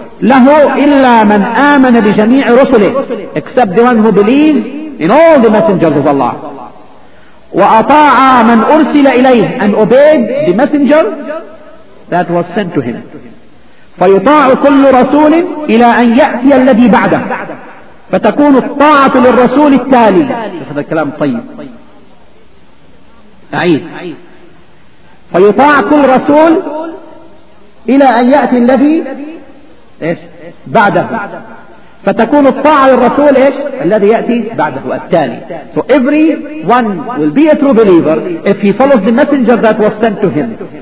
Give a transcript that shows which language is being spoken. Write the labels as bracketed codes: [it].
[ar] لَهُ إِلَّا مَنْ آمَنَ بِجَمِيعِ رُسُلِهِ. [en] Except the one who believes in all the messengers of Allah. [ar] وَأَطَاعَ مَنْ أُرْسِلَ إِلَيْهِ. [en] And obeyed the messenger that was sent to him. [ar] فَيُطَاعُ كُلُّ رَسُولٍ إِلَىٰ أَنْ يَأْتِيَ الَّذِي بَعْدَهُ. فتكون الطاعة للرسول التالي. هذا كلام طيب. أعيد. فيطاع كل رسول إلى أن يأتي الذي بعده. فتكون الطاعة للرسول الذي يأتي بعده التالي. [en] So every one will be a true believer if he follows the messenger that was sent to him.